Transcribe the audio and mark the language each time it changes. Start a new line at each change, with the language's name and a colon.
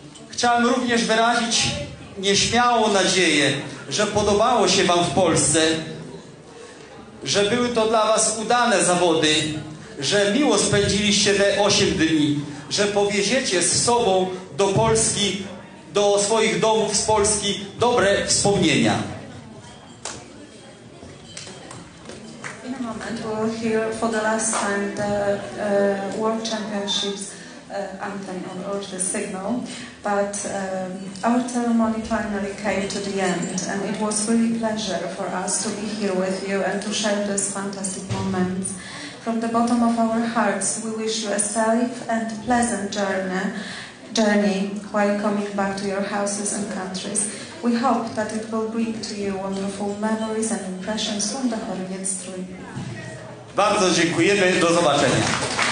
Polish: Chciałem również wyrazić nieśmiałą nadzieję, że podobało się Wam w Polsce, że były to dla Was udane zawody, że miło spędziliście te 8 dni, że powieziecie z sobą do Polski, do swoich domów z Polski dobre wspomnienia.
English: In a moment we'll hear for the last time the World Championships anthem or the signal. But our ceremony finally came to the end, and it was really a pleasure for us to be here with you and to share this fantastic moment. From the bottom of our hearts, we wish you a safe and pleasant journey while coming back to your houses and countries. We hope that it will bring to you wonderful memories and impressions from the Chorynian Strój.
Polish: Bardzo dziękujemy, do zobaczenia.